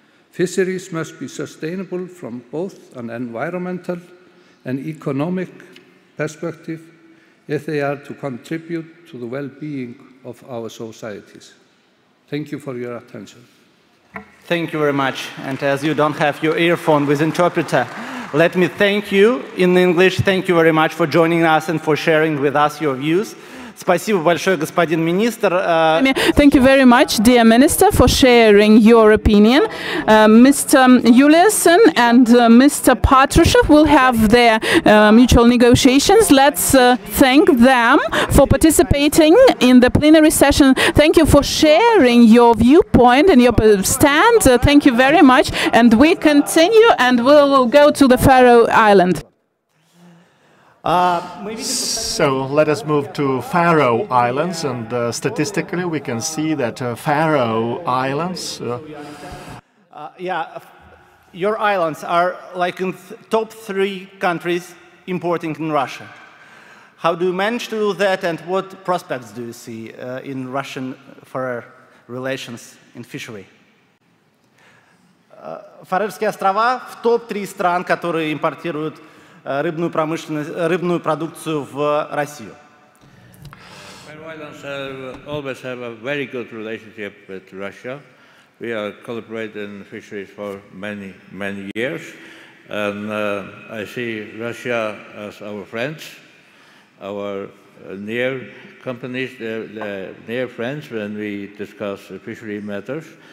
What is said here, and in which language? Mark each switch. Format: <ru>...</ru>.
<en>Fisheries must be sustainable from both an environmental and economic perspective if they are to contribute to the well-being of our societies. Thank you for your attention. Thank you very much. And as you don't have your earphone with interpreter, Let me thank you in English. Thank you very much for joining us and for sharing with us your views.</en> <ru>Спасибо большое, господин министр.</ru> <en>Thank you very much, dear minister, for sharing your opinion. Mr. Juliusson and Mr. Patrushev will have their mutual negotiations. Let's thank them for participating in the plenary session. Thank you for sharing your viewpoint and your stand. Thank you very much. And we continue and we'll go to the Faroe Island. So let us move to Faroe Islands, and statistically we can see that Faroe Islands. Your islands are like in top three countries importing in Russia. How do you manage to do that, and what prospects do you see in Russian Faroe relations in fishery?</en> <ru>Фарерские острова в топ три стран, которые импортируют. Рыбную продукцию в Россию.</ru> <en>Faroe Islands always have a very good relationship with Russia. We are collaborating in fisheries for many, many years. And I see Russia as our friends, our near companies, the near friends when we discuss fishery matters.</en>